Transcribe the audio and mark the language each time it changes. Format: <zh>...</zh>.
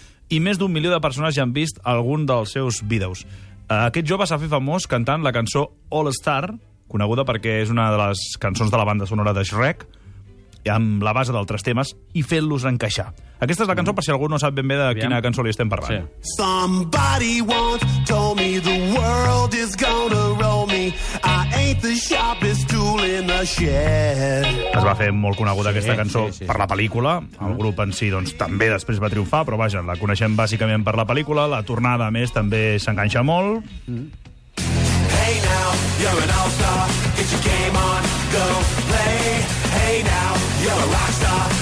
<ca>I més d'un milió de persones ja han vist algun dels seus vídeos. Aquest jove s'ha fet famós cantant la cançó All Star, coneguda perquè és una de les cançons de la banda sonora de Shrek, amb la base d'altres temes, i fent-los encaixar. Aquesta és la cançó, per si algú no sap ben bé de quina cançó li estem parlant.</ca> <en>Somebody once told me the world is gonna roll me. I ain't the sharpest tool in the shed.</en> <ca>Es va fer molt coneguda aquesta cançó per la pel·lícula. El grup en si doncs, també després va triomfar, però vaja, la coneixem bàsicament per la pel·lícula. La tornada, a més, també s'enganxa molt.</ca> <en>Hey now, you're an all-star. Get your game on, go play. Hey now, you're a rock star.</en>